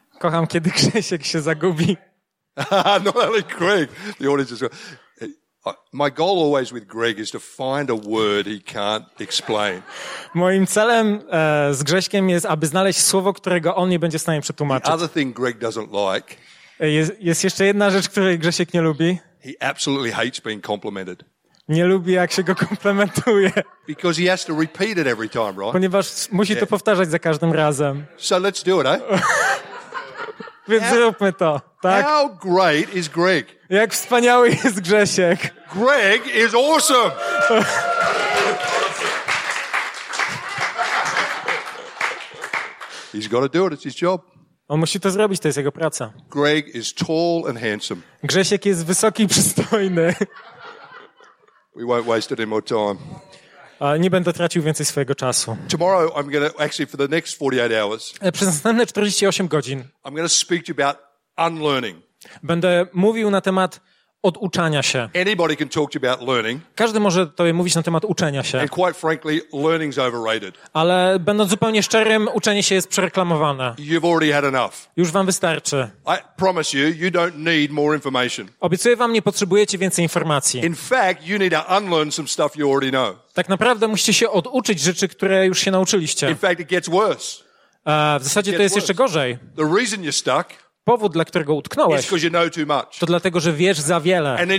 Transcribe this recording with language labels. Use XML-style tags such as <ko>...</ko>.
<pl>Kocham, kiedy Krzysiek się zagubi.</pl> <en>Not only Greg, the audience as well. My goal always with Greg is to find a word he can't explain.</en> <pl>Moim celem z Grześkiem jest, aby znaleźć słowo, którego on nie będzie w stanie przetłumaczyć.</pl> <en>The other thing Greg doesn't like.</en> <pl>Jest jeszcze jedna rzecz, której Grzesiek nie lubi.</pl> <en>He absolutely hates being complimented.</en> <pl>Nie lubi, jak się go komplementuje.</pl> <en>Because he has to repeat it every time, right?</en> <pl>Ponieważ musi to powtarzać za każdym razem.</pl> <en>So let's do it, eh?</en> <pl>Więc zróbmy to, tak?</pl> <en>How great is Greg?</en> <pl>Jak wspaniały jest Grzesiek.</pl> <en>Greg is awesome. He's got to do it. It's his job.</en> <pl>On musi to zrobić, to jest jego praca.</pl> <en>Greg is tall and handsome.</en> <pl>Grzesiek jest wysoki i przystojny.</pl> <en>We won't waste any more time.</en> <pl>Nie będę tracił więcej swojego czasu.</pl> <en>Tomorrow I'm going to actually for the next 48 hours.</en> <pl>Przez następne 48 godzin.</pl> <en>I'm going to speak to you about unlearning.</en> <pl>Będę mówił na temat oduczania się.</pl> <en>Anybody can talk to you about learning.</en> <pl>Każdy może tobie mówić na temat uczenia się.</pl> <en>And quite frankly, learning's overrated.</en> <pl>Ale będąc zupełnie szczerym, uczenie się jest przereklamowane.</pl> <en>You've already had enough.</en> <pl>Już wam wystarczy.</pl> <en>I promise you, you don't need more information.</en> <pl>Obiecuję wam, nie potrzebujecie więcej informacji.</pl> <en>In fact, you need to unlearn some stuff you already know.</en> <pl>Tak naprawdę musicie się oduczyć rzeczy, które już się nauczyliście.</pl> <en>In fact, it gets worse.</en> <pl>W zasadzie to jest jeszcze gorzej.</pl> <en>The reason you're stuck.</en> <pl>Powód, dla którego utknąłeś, to dlatego, że wiesz za wiele.</pl>